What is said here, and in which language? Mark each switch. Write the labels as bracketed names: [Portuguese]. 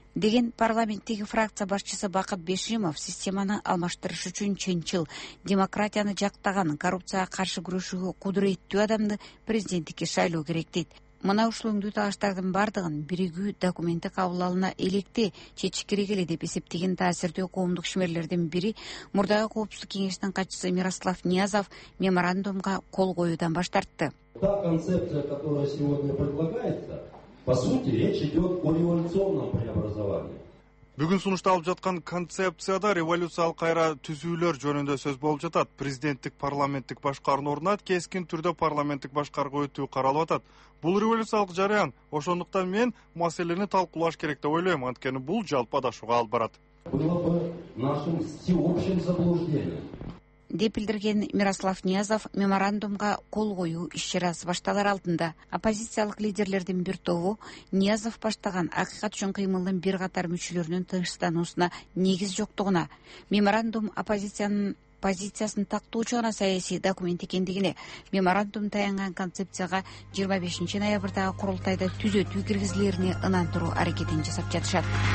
[Kyrgyz] Деген парламенттеги фракция башчысы Бакыт Бешимов системаны алмаштырыш үчүн чынчыл, демократияны жактаган, коррупцияга каршы күрөшүүгө кудуреттүү адамды президенттикке шайлоо керек дейт. Мына ушул өңдүү талаштардын бардыгын биригүү документи кабыл алына электе чечиш керек эле деп эсептеген таасирдүү коомдук ишмерлердин бири мурдагы коопсуздук кеңешинин катчысы Мирослав Ниязов меморандумга кол коюудан баш тартты. [Russian] Та концепция, которая сегодня предлагается, по сути, речь идет о революционном преобразовании. [Kyrgyz] Бүгүн сунушталып жаткан концепцияда революциялык кайра түзүүлөр жөнүндө сөз болуп жатат. Президенттик парламенттик башкаруунун ордуна кескин түрдө парламенттик башкаруу өтүү каралып атат. Бул революциялык жараян. Ошондуктан мен маселени талкуулаш керек деп ойлойм, анткени бул жалпы адашууга алып барат. [Russian] Было бы нашим всеобщим заблуждением. [Kyrgyz] Деп билдирген Мирослав Ниязов меморандумга кол коюу иш-чарасы башталар алдында оппозициялык лидерлердин бир тобу Ниязов баштаган акыйкат үчүн кыймылдын бир катар мүчөлөрүнүн тынчтануусуна негиз жоктугуна, меморандум оппозициянын позициясын тактоочу гана саясий документ экендигине, меморандум таянган концепцияга 25 ноябрдагы курултайда түзөтүү киргизилерине ынандыруу аракетин жасап жатышат.